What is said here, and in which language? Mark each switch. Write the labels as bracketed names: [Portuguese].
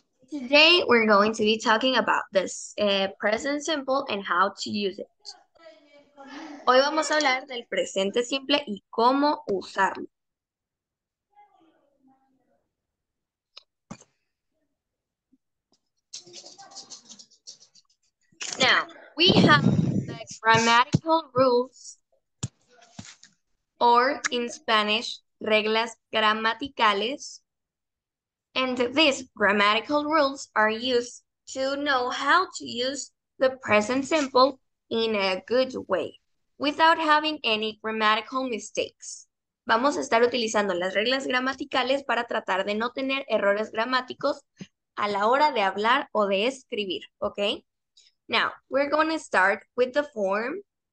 [English] Today we're going to be talking about this present simple and how to use it. [Spanish] Hoy vamos a hablar del presente simple y cómo usarlo. [English] We have the grammatical rules, or in Spanish, [Spanish] reglas gramaticales. [English] And these grammatical rules are used to know how to use the present simple in a good way, without having any grammatical mistakes. [Spanish] Vamos a estar utilizando las reglas gramaticales para tratar de no tener errores gramáticos a la hora de hablar o de escribir, ¿ok? [English] Now, we're going to start with the form.